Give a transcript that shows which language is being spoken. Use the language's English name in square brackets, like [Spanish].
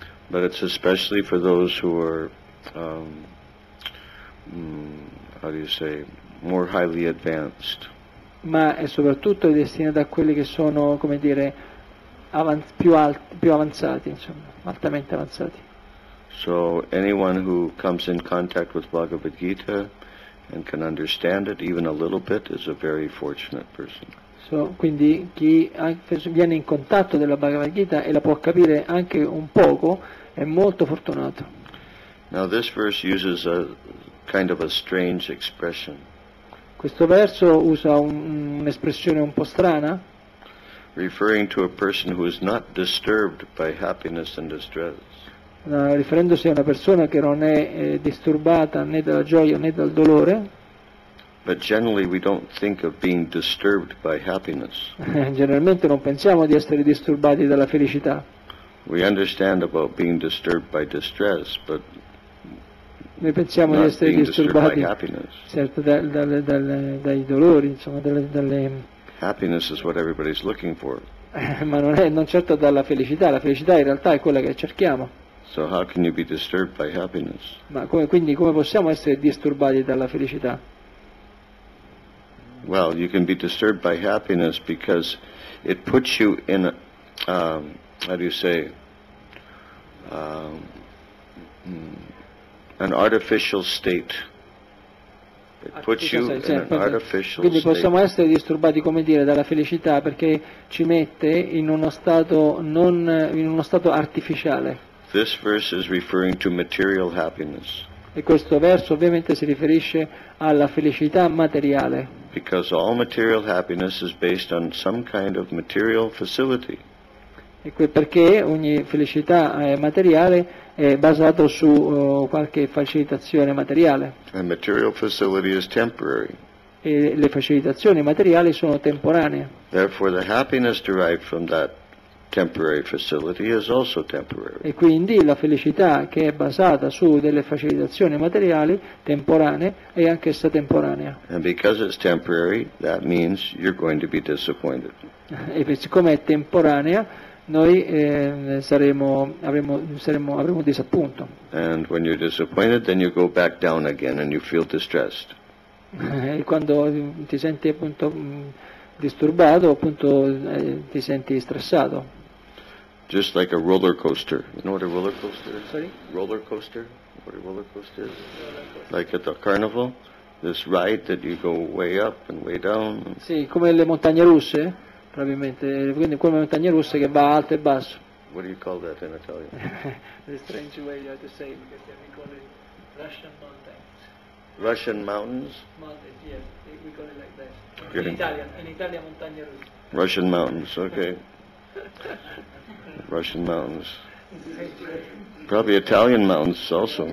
[English] But it's especially for those who are how do you say, more highly advanced. [Italian] Ma è soprattutto destinata a quelli che sono, come dire, più avanzati, insomma, altamente avanzati. [English] So anyone who comes in contact with Bhagavad Gita and can understand it even a little bit is a very fortunate person. [Italian] So, quindi chi viene in contatto della Bhagavad Gita e la può capire anche un poco è molto fortunato. [English] Now this verse uses a kind of a strange expression. [Italian] Questo verso usa un'espressione un po' strana. [English] Referring to a person who is not disturbed by happiness and distress. [Italian] Riferendosi a una persona che non è disturbata né dalla gioia né dal dolore. [English] But generally we don't think of being disturbed by happiness. [Italian] Generalmente non pensiamo di essere disturbati dalla felicità. [English] We understand about being disturbed by distress, but [Italian] noi pensiamo [English] not [Italian] di essere [English] being [Italian] disturbati, [English] disturbed by happiness. [Italian] Certo, dai dolori, insomma, dalle [English] happiness is what everybody's looking for. [Italian] Ma non certo dalla felicità. La felicità in realtà è quella che cerchiamo. [English] So how can you be disturbed by happiness? [Italian] Ma come possiamo essere disturbati dalla felicità? [English] Well, you can be disturbed by happiness because it puts you in a, how do you say, an artificial state. It puts you in an artificial state. [Italian] Quindi possiamo essere disturbati, come dire, dalla felicità, perché ci mette in uno stato non in uno stato artificiale. [English] This verse is referring to material happiness. [Italian] E questo verso ovviamente si riferisce alla felicità materiale. [English] Because all material happiness is based on some kind of material facility. [Italian] E perché ogni felicità materiale è basato su qualche facilitazione materiale. [English] And material facility is temporary. [Italian] E le facilitazioni materiali sono temporanee. [English] Therefore the happiness derived from that temporary facility is also temporary. [Italian] E quindi la felicità che è basata su delle facilitazioni materiali temporanee è anch'essa temporanea. [English] And because it's temporary, that means you're going to be disappointed. [Italian] E siccome è temporanea, noi avremo disappunto. [English] And when you're disappointed, then you go back down again and you feel distressed. [Italian] E quando ti senti appunto disturbato, appunto ti senti stressato. [English] Just like a roller coaster. You know what a roller coaster is? Sorry? Roller coaster? What a roller coaster is? Like at the carnival? This ride that you go way up and way down? [Italian] Sì, come le montagne russe, probabilmente. Quindi come le montagne russe che va alto e basso. [English] What do you call that in Italian? The strange way you have to say it, because we call it Russian mountains. Russian mountains? Mountains, yes. We call it like that. In Italian, montagne russe. Russian mountains, okay. Russian mountains, probably Italian mountains also.